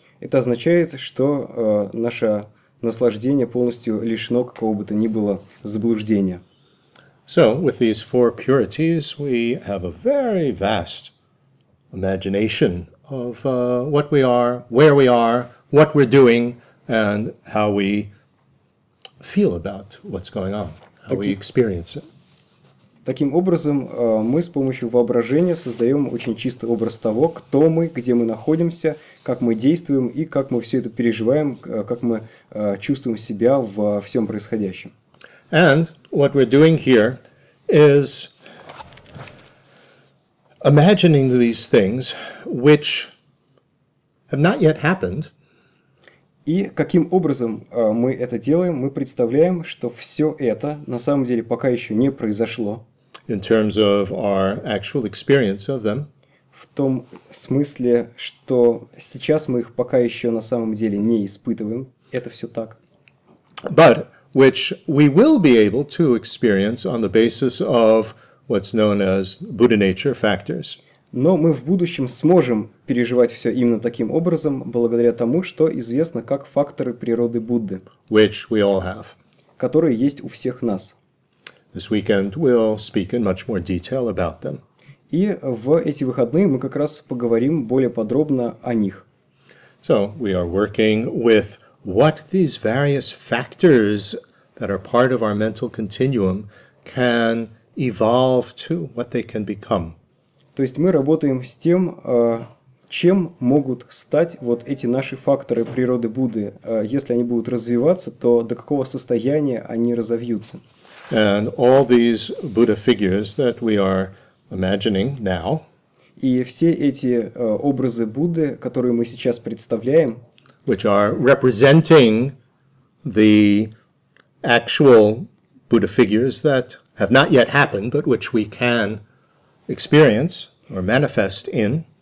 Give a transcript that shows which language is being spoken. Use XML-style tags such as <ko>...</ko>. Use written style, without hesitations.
<ru>Это означает, что наше наслаждение полностью лишено какого бы то ни было заблуждения.</ru> <en>So, with these four purities, we have a very vast imagination of what we are, where we are, what we're doing, and how we feel about what's going on, how we experience it.</en> <ru>Таким образом, мы с помощью воображения создаем очень чистый образ того, кто мы, где мы находимся, как мы действуем и как мы все это переживаем, как мы чувствуем себя во всем происходящем.</ru> <en>And what we're doing here is imagining these things which have not yet happened.</en> <ru>И каким образом мы это делаем? Мы представляем, что все это на самом деле пока еще не произошло.</ru> <en>In terms of our actual experience of them.</en> <ru>В том смысле, что сейчас мы их пока еще на самом деле не испытываем. Это все так.</ru> <en>But which we will be able to experience on the basis of what's known as Buddha nature factors.</en> <ru>Но мы в будущем сможем переживать все именно таким образом, благодаря тому, что известно как факторы природы Будды.</ru> <en>Which we all have.</en> <ru>Которые есть у всех нас.</ru> <en>This weekend we'll speak in much more detail about them.</en> <ru>И в эти выходные мы как раз поговорим более подробно о них.</ru> <en>So, we are working with what these various factors that are part of our mental continuum can evolve to, what they can become.</en> <ru>То есть мы работаем с тем, чем могут стать вот эти наши факторы природы Будды, если они будут развиваться, то до какого состояния они разовьются.</ru> <en>And all these Buddha figures that we are imagining now.</en> <ru>И все эти образы Будды, которые мы сейчас представляем,</ru> <en>which are representing the actual Buddha figures that have not yet happened, but which we can experience or manifest in.</en>